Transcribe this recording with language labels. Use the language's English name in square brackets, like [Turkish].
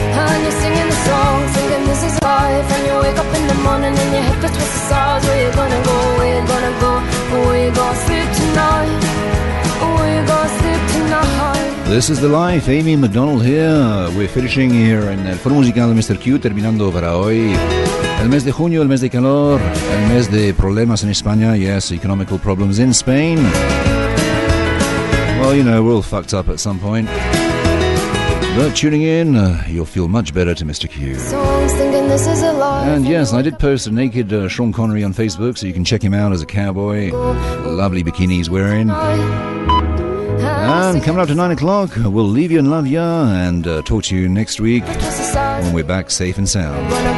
[English] And you're singing the songs, thinking this is life. And you wake up in the morning and your head is just the stars. Where you gonna go, where you gonna go, and where you gonna sleep tonight? Where you gonna sleep tonight? This is the life, Amy McDonald here. We're finishing here in El Foro Musical de Mr. [Spanish] Q, terminando para hoy. El mes de junio, el mes de calor, el mes de problemas en España. [English] Yes, economical problems in Spain. Well, you know, we're all fucked up at some point. But tuning in, you'll feel much better to Mr. Q. So I'm thinking this is a lie. And yes, I did post a naked Sean Connery on Facebook, so you can check him out as a cowboy. Lovely bikini he's wearing. And coming up to 9 o'clock, we'll leave you and love ya, and talk to you next week when we're back safe and sound.